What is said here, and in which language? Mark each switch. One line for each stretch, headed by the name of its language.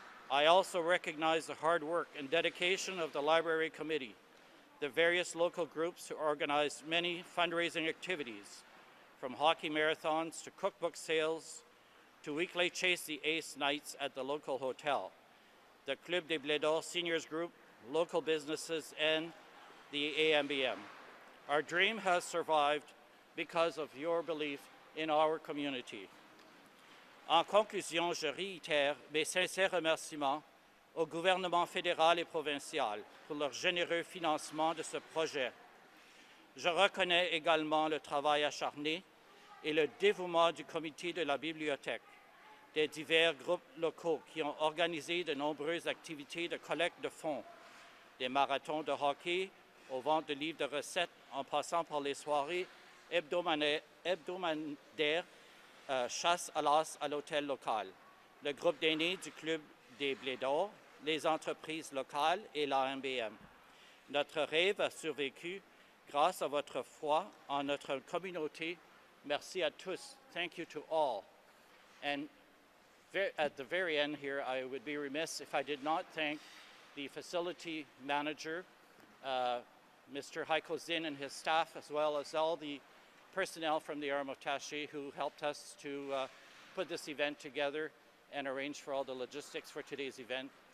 English: I also recognize the hard work and dedication of the Library Committee, the various local groups who organized many fundraising activities, from hockey marathons to cookbook sales to weekly Chase the Ace nights at the local hotel, the Club des Blés d'Or Seniors Group, local businesses, and the AMBM. Our dream has survived because of your belief in our community.
French: En conclusion, je réitère mes sincères remerciements au gouvernement fédéral et provincial pour leur généreux financement de ce projet. Je reconnais également le travail acharné et le dévouement du comité de la bibliothèque, des divers groupes locaux qui ont organisé de nombreuses activités de collecte de fonds, des marathons de hockey, aux ventes de livres de recettes, en passant par les soirées hebdomadaires chasse à l'as à l'hôtel local, le groupe d'aînés du Club des Blés d'Or, les entreprises locales et l'AMBM. Notre rêve a survécu grâce à votre foi en notre communauté. Merci à tous.
English: Thank you to all. And at the very end here, I would be remiss if I did not thank the facility manager, Mr. Heiko Zinn and his staff, as well as all the personnel from the Arm of Taché who helped us to put this event together and arrange for all the logistics for today's event.